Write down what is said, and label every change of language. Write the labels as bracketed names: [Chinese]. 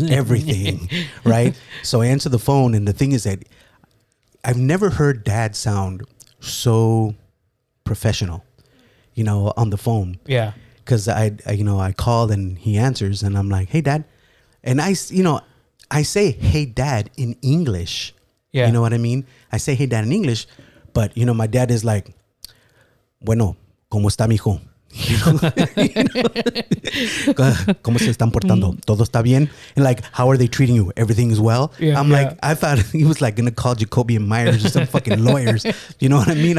[English] Him everything, right? So I answer the phone. And the thing is that I've never heard dad sound so professional, you know, on the phone. Yeah. Because I, you know, I called and he answers and I'm like, hey, dad. And I, you know, I say, hey, dad, in English. Yeah. You know what I mean? I say, hey, dad, in English. But, you know, my dad is like, [Spanish] bueno, ¿cómo está mi hijo? ¿Cómo se están portando? ¿Todo está bien? [English] And like, how are they treating you? Everything is well? Yeah, I'm like, I thought he was like going to call Jacoby and Myers or some fucking lawyers. You know what I mean?